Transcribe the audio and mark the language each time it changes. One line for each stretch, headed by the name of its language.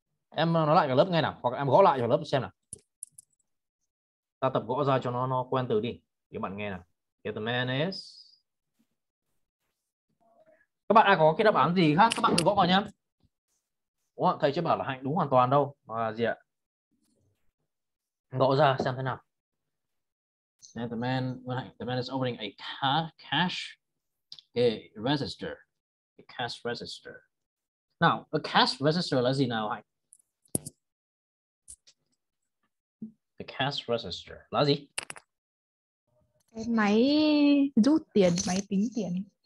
Vietnamese: Em nói lại cả lớp ngay nào. Hoặc em gõ lại cho lớp xem nào. Ta tập gõ ra cho nó quen từ đi. Các bạn nghe nào.
English: Okay, the man is.
Vietnamese: Các bạn ai có cái đáp án gì khác các bạn cứ gõ vào nhé. Đúng không? Thầy chưa bảo là Hạnh đúng hoàn toàn đâu. Mà gì ạ? Gõ ra xem thế nào.
English: Okay, the man, the man is opening a cash okay, register. A cash register. Now, a cash register
Vietnamese: là gì nào
English: Hạnh? The cash register
Vietnamese: là gì? Máy rút tiền, máy tính tiền.